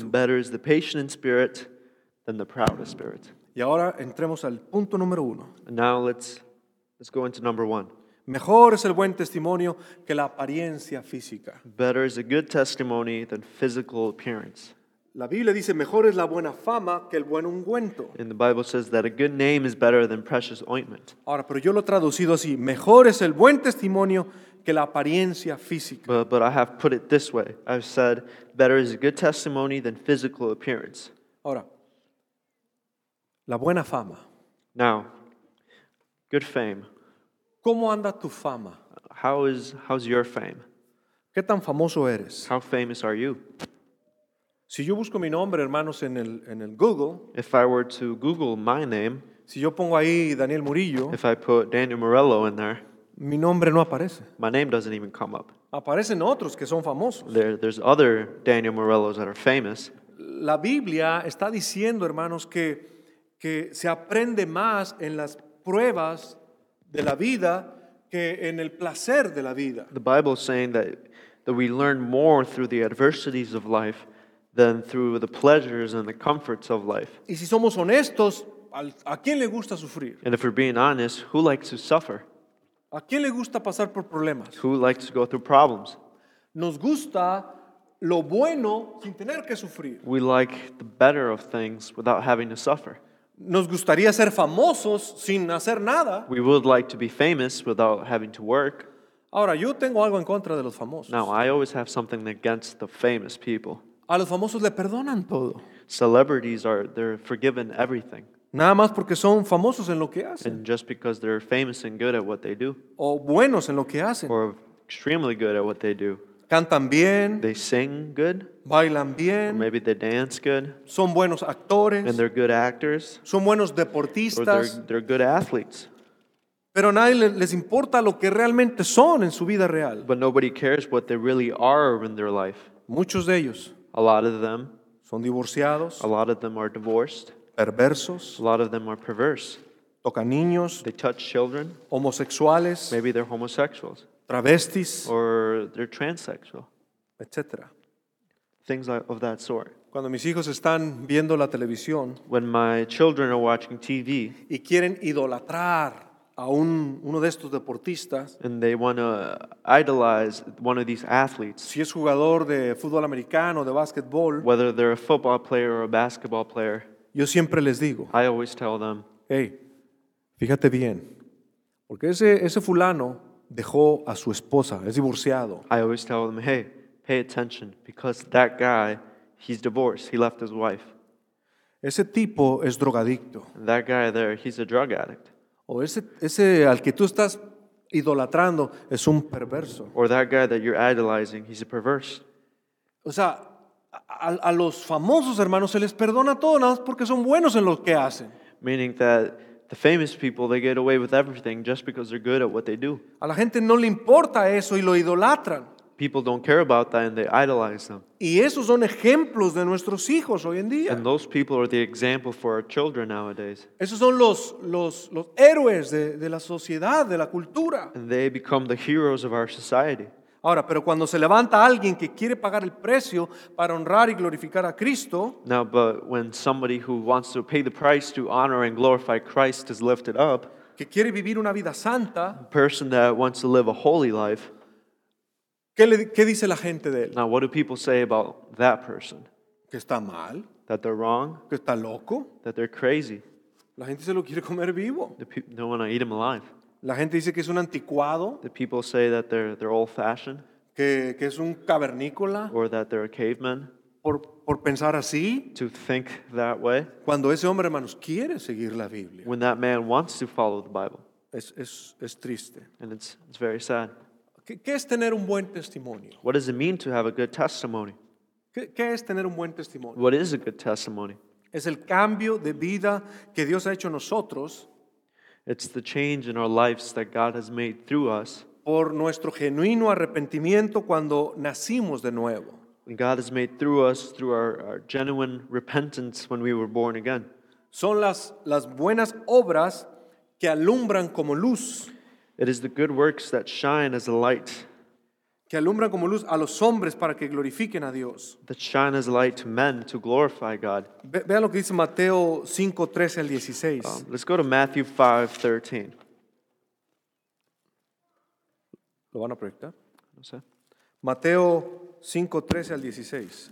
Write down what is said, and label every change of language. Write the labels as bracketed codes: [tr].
[en] And better is the patient in spirit than the proud of spirit. [es] Y ahora entremos al punto número uno. [en] And now let's go into number one. [es] Mejor es el buen testimonio que la apariencia física. [en] Better is a good testimony than physical appearance. [es] La Biblia dice, mejor es la buena fama que el buen ungüento. [en] And the Bible says that a good name is better than precious ointment. [es] Ahora, pero yo lo he traducido así, mejor es el buen testimonio que la apariencia física. [en] But I have put it this way. I've said, better is a good testimony than physical appearance. [es] Ahora, la buena fama. [en] Now, good fame. [es] ¿Cómo anda tu fama? [en] How's your fame? [es] ¿Qué tan famoso eres? [en] How famous are you? [es] Si yo busco mi nombre, hermanos, en el Google. [en] If I were to Google my name. [es] Si yo pongo ahí Daniel Murillo. [en] If I put Daniel Morello in there. [es] Mi nombre no aparece. [en] My name doesn't even come up. [es] Aparecen otros que son famosos. [en] There's other Daniel Morellos that are famous. [es] La Biblia está diciendo, hermanos, que se aprende más en las pruebas de la vida que en el placer de la vida. [en] The Bible is saying that we learn more through the adversities of life than through the pleasures and the comforts of life. [es] Y si somos honestos, ¿a quién le gusta sufrir? [en] And if we're being honest, who likes to suffer? [es] ¿A quién le gusta pasar por problemas? [en] Who likes to go through problems? [es] Nos gusta lo bueno sin tener que sufrir. [en] We like the better of things without having to suffer. [es] Nos gustaría ser famosos sin hacer nada. [en] We would like to be famous without having to work. [es] Ahora, yo tengo algo en contra de los famosos. [en] Now, I always have something against the famous people. [es] A los famosos le perdonan todo. [en] Celebrities they're forgiven everything. [es] Nada más porque son famosos en lo que hacen. [en] And just because they're famous and good at what they do. [es] O buenos en lo que hacen. [en] Or extremely good at what they do. [es] Cantan bien. [en] They sing good. [es] Bailan bien. [en] Or maybe they dance good. [es] Son buenos actores. [en] And they're good actors. [es] Son buenos deportistas. [en] Or they're good athletes. [es] Pero a nadie les importa lo que realmente son en su vida real. [en] But nobody cares what they really are in their life. [es] Muchos de ellos. [en] A lot of them. [es] Son divorciados. [en] A lot of them are divorced. [es] Perversos. [en] A lot of them are perverse. [es] Tocan niños. [en] They touch children. [es] Homosexuales. [en] Maybe they're homosexuals. [es] Travestis. [en] Or they're transsexual. [es] Etc. [en] Things of that sort. [es] Cuando mis hijos están viendo la televisión. [en] When my children are watching TV. [es] Y quieren idolatrar a uno de estos deportistas. [en] And they want to idolize one of these athletes. [es] Si es jugador de fútbol americano o de básquetbol. [en] Whether they're a football player or a basketball player. [es] Yo siempre les digo, [en] I always tell them, [es] hey, fíjate bien, porque ese fulano dejó a su esposa, es divorciado. [en] I always tell them, hey, pay attention, because that guy, he's divorced, he left his wife. [es] Ese tipo es drogadicto. [en] That guy there, he's a drug addict. [es] O ese al que tú estás idolatrando es un perverso. [en] Or that guy that you're idolizing, he's a perverse. [es] O sea, a los famosos hermanos se les perdona todo nada más porque son buenos en lo que hacen. [en] Meaning that the famous people they get away with everything just because they're good at what they do. [es] A la gente no le importa eso y lo idolatran. [en] People don't care about that and they idolize them. [es] Y esos son ejemplos de nuestros hijos hoy en día. [en] And those people are the example for our children nowadays. [es] Esos son los héroes de la sociedad, de la cultura. [en] And they become the heroes of our society. [es] Ahora, pero cuando se levanta alguien que quiere pagar el precio para honrar y glorificar a Cristo. [en] Now, but when somebody who wants to pay the price to honor and glorify Christ is lifted up. [es] Que quiere vivir una vida santa. [en] A person that wants to live a holy life. [es] ¿Qué dice la gente de él? [en] Now, what do people say about that person? [es] Que está mal. [en] That they're wrong. [es] Que está loco. [en] That they're crazy. [es] La gente se lo quiere comer vivo. [en] They want to eat him alive. [es] La gente dice que es un anticuado. [en] The people say that they're old fashioned. [es] Que es un cavernícola. [en] Or that they're a caveman. [es] Por pensar así. [en] To think that way. [es] Cuando ese hombre, hermanos, quiere seguir la Biblia. [en] When that man wants to follow the Bible. [es] Es triste. [en] And it's very sad. [es] ¿Qué es tener un buen testimonio? [en] What does it mean to have a good testimony? [es] ¿Qué es tener un buen testimonio? [en] What is a good testimony? [es] Es el cambio de vida que Dios ha hecho en nosotros. [en] It's the change in our lives that God has made through us. [es] Por nuestro genuino arrepentimiento cuando nacimos de nuevo. [en] And God has made through us through our genuine repentance when we were born again. [es] Son las buenas obras que alumbran como luz. [en] It is the good works that shine as a light. [es] que alumbran como luz a los hombres para que glorifiquen a Dios. [en] That shine as light to men to glorify God. [es] Vea lo que dice Mateo 5, 13 al 16. [en] Let's go to Matthew 5, 13. [es] ¿Lo van a proyectar? No sé. Mateo 5, 13 al 16.